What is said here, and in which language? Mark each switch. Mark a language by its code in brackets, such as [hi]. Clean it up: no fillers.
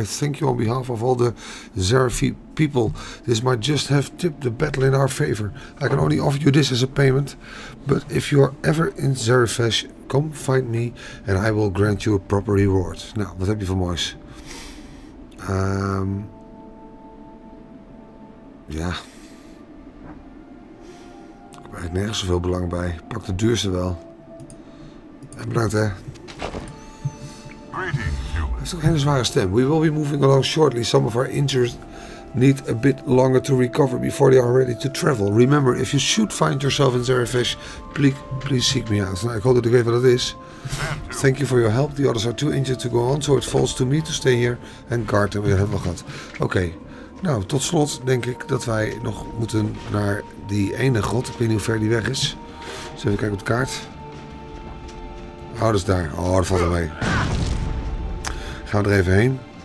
[en] I thank you on behalf of all the Zerfi people. This might just have tipped the battle in our favor. I can only offer you this as a payment. But if you are ever in Zerifesh, come find me and I will grant you a proper reward. [nl] Nou, wat heb je voor moois? Ja. Ik heb nergens zoveel belang bij. Pak de duurste wel. En bedankt, hè. Hij heeft ook geen zware stem. [en] We will be moving along shortly. Some of our injured need a bit longer to recover before they are ready to travel. Remember, if you should find yourself in Zerifesh, please seek me out. [nl] Nou, ik hoop dat ik weet wat het is. [en] Thank you for your help. The others are too injured to go on, so it falls to me to stay here and guard them. [nl] We hebben al gehad. Oké. Nou, tot slot denk ik dat wij nog moeten naar die ene grot. Ik weet niet hoe ver die weg is. Dus even kijken op de kaart. Oh, dat is daar. Oh, dat valt er mee. Gaan we er even heen.